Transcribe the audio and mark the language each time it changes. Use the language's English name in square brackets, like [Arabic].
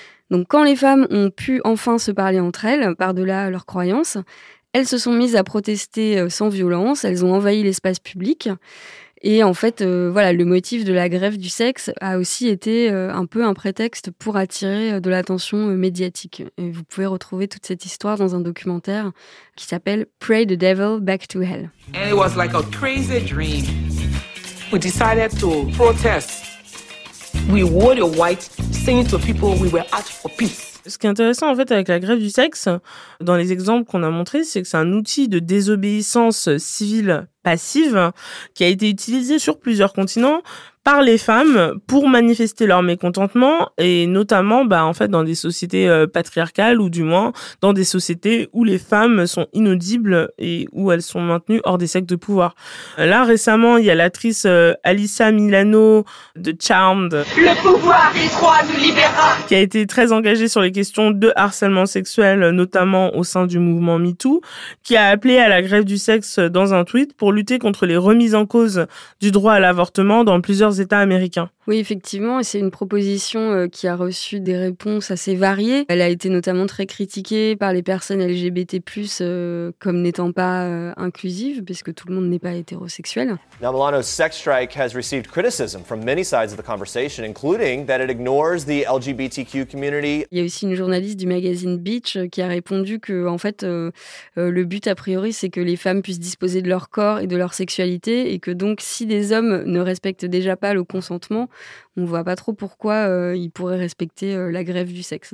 [French] Donc quand les femmes ont pu enfin se parler entre elles, par-delà leurs croyances, elles se sont mises à protester sans violence, elles ont envahi l'espace public. Et en fait, voilà, le motif de la grève du sexe a aussi été un peu un prétexte pour attirer de l'attention médiatique. Et vous pouvez retrouver toute cette histoire dans un documentaire qui s'appelle « Pray the Devil Back to Hell ». [English] And it was like a crazy dream. We decided to protest. We wore the white, saying to people we were out for peace. [French] Ce qui est intéressant en fait avec la grève du sexe, dans les exemples qu'on a montrés, c'est que c'est un outil de désobéissance civile passive qui a été utilisé sur plusieurs continents par les femmes pour manifester leur mécontentement et notamment en fait dans des sociétés patriarcales ou du moins dans des sociétés où les femmes sont inaudibles et où elles sont maintenues hors des sectes de pouvoir. Là récemment, il y a l'actrice Alyssa Milano de Charmed, le pouvoir des trois nous libérera, qui a été très engagée sur les questions de harcèlement sexuel notamment au sein du mouvement MeToo, qui a appelé à la grève du sexe dans un tweet pour lutter contre les remises en cause du droit à l'avortement dans plusieurs États américains. Oui, effectivement, c'est une proposition qui a reçu des réponses assez variées. Elle a été notamment très critiquée par les personnes LGBT+, comme n'étant pas inclusive, puisque tout le monde n'est pas hétérosexuel. [English] Now, Milano's sex strike has received criticism from many sides of the conversation, including that it ignores the LGBTQ community. [French] Il y a aussi une journaliste du magazine Beach qui a répondu que, en fait, le but, a priori, c'est que les femmes puissent disposer de leur corps et de leur sexualité, et que donc, si des hommes ne respectent déjà pas le consentement, on ne voit pas trop pourquoi ils pourraient respecter la grève du sexe.